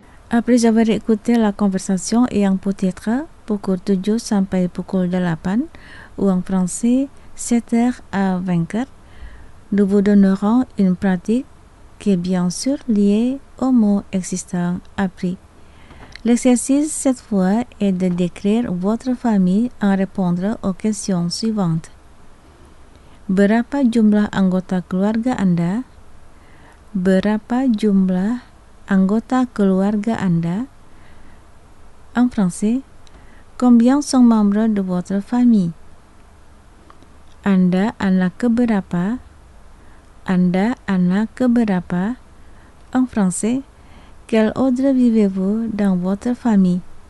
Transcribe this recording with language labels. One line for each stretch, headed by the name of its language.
French: Après avoir écouté la conversation ayant peut-être
Indonesian: pukul 7 sampai pukul 8,
French: ou en français 7h à 20h, nous vous donnerons une pratique qui est bien sûr liée au mot existant appris. L'exercice cette fois est de décrire votre famille en répondant aux questions suivantes.
Indonesian: Berapa jumlah anggota keluarga Anda? Berapa jumlah anggota keluarga Anda?
French: En français, combien sont membres de votre famille?
Indonesian: Anda anak keberapa? Anda anak keberapa?
French: En français, quel ordre vivez-vous dans votre famille?